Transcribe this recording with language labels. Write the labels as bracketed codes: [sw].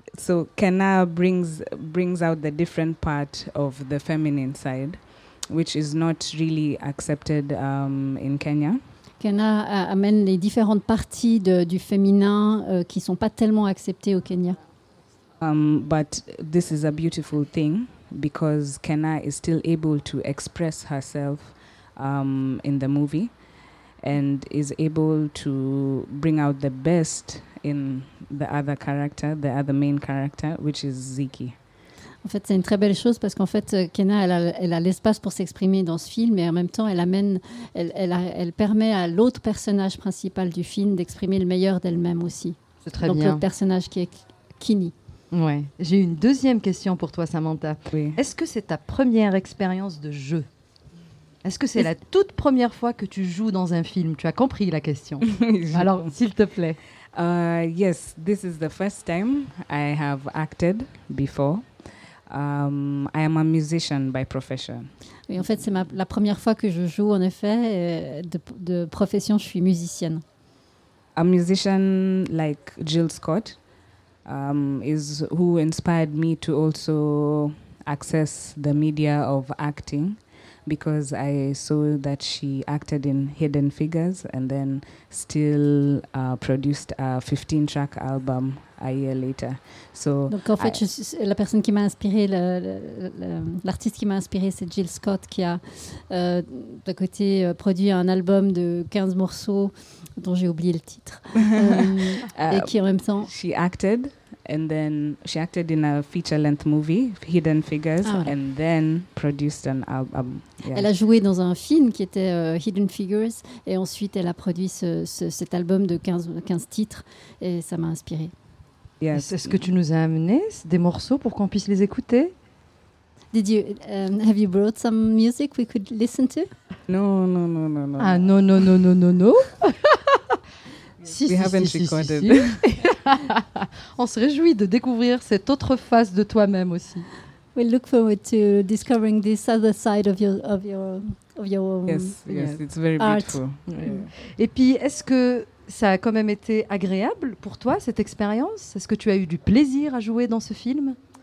[en] So Kenna brings out the different part of the feminine side, which is not really accepted in Kenya. [fr] Kenna amène les différentes parties du féminin qui sont pas tellement acceptées au Kenya. [en] But this is a beautiful thing because Kenna is still able to express herself in the movie and is able to bring out the best in the other character, the other main character, which is Ziki. [fr] En fait, c'est une très belle chose parce qu'en fait, Kenna, elle a l'espace pour s'exprimer dans ce film, mais en même temps, elle permet à l'autre personnage principal du film d'exprimer le meilleur d'elle-même aussi. C'est très donc bien. Donc le personnage qui est Kini. Ouais. J'ai une deuxième question pour toi, Samantha. Oui. Est-ce que c'est ta première expérience de jeu? Est-ce que c'est la toute première fois que tu joues dans un film? Tu as compris la question. Alors, s'il te plaît. [en] Yes, this is the first time I have acted before. I am a musician by profession. [fr] Oui, en fait, c'est la première fois que je joue, en effet, de profession, je suis musicienne. [en] A musician like Jill Scott is who inspired me to also access the media of acting because I saw that she acted in Hidden Figures and then still produced a 15-track album a year later. So [fr] donc en fait, la personne qui m'a inspirée, l'artiste qui m'a inspirée, c'est Jill Scott qui a d'un côté produit un album de 15 morceaux dont j'ai oublié le titre et qui en même temps... [en] She acted and then she acted in a feature-length movie, Hidden Figures, [fr] ah, voilà. [en] And then produced an album. Yeah. [fr] Elle a joué dans un film qui était Hidden Figures et ensuite elle a produit cet album de 15 titres et ça m'a inspirée. [en] Yes. [fr] Est-ce que tu nous as amené des morceaux pour qu'on puisse les écouter? [en] Did you have you brought some music we could listen to? No. Ah no. We haven't recorded. [fr] On se réjouit de découvrir cette autre face de toi-même aussi. [en] We look forward to discovering this other side of your yes, yes, it's very art. Beautiful. Yeah. [fr] Et puis est-ce que ça a quand même été agréable pour toi cette expérience? Est-ce que tu as eu du plaisir à jouer dans ce film?